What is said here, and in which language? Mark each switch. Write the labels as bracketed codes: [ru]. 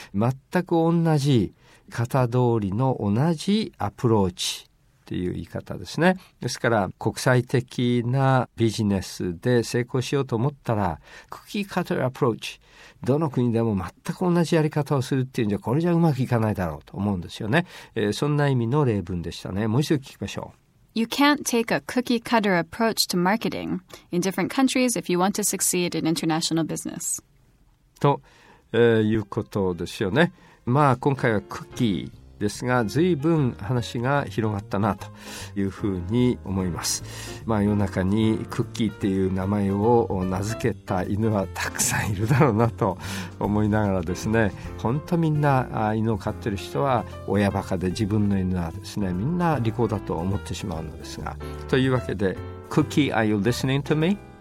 [ja] 全く同じ型通りの同じアプローチという言い方ですね。ですから国際的なビジネスで成功しようと思ったら、クッキーカッターアプローチ、どの国でも全く同じやり方をするっていうんじゃ、これじゃうまくいかないだろうと思うんですよね。そんな意味の例文でしたね。もう一度聞きましょう。 [en] You can't take a cookie cutter approach to marketing in different countries if you want to succeed in international business. [ja] と、いうことですよね。まあ今回はクッキーですが、ずいぶん話が広がったなというふうに思います。まあ、夜中にクッキーっていう名前を名付けた犬はたくさんいるだろうなと思いながらですね、本当みんな犬を飼ってる人は親バカで、自分の犬はですねみんな利口だと思ってしまうのですが、というわけで、クッキー、 [en] Are you listening to me?